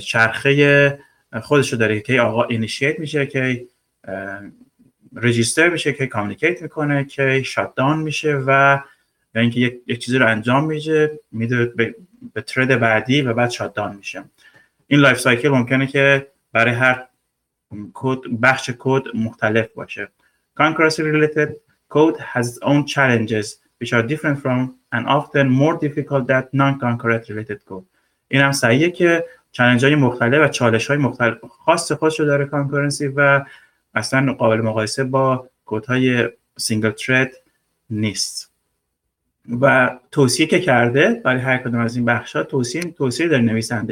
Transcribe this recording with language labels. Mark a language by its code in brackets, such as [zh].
[fa] چرخه خودش رو داره که آقا اینیشیت میشه، که رجیستر میشه، که کامیکیت میکنه، که شاتدان میشه و یا اینکه یک چیزی رو انجام میشه میده به ترد بعدی و بعد شاتدان میشه. این لایف سایکل ممکنه که برای هر کد بخش کد مختلف باشه. [en] concurrency related code has its own challenges which are different from and often more difficult than non-concurrent related code. [fa] این هم صحیحه که چالش های مختلف و چالش های مختلف خاص خودشو داره concurrency و اصلا قابل مقایسه با کد های سینگل ترد نیست. و توصیه که کرده برای هر کدوم از این بخش ها توصیه داره نویسنده.